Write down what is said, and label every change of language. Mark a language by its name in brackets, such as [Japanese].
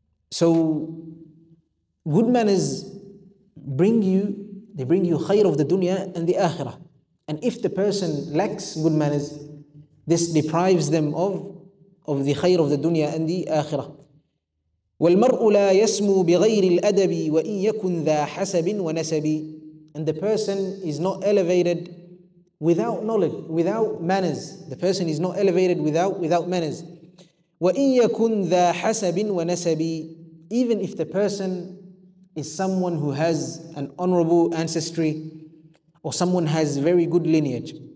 [English] So good manners bring you khayr of the dunya and the akhirah. And if the person lacks good manners, this deprives them of the khayr of the dunya and the akhirah. [Arabic] والمرء لا يسمو بغير الأدب وإن يكن ذا حسب ونسب. [English] And the person is not elevated without knowledge, without manners. The person is not elevated without manners. [Arabic] وإن يكن ذا حسب ونسب. [English] Even if the person is someone who has an honorable ancestry or someone has very good lineage.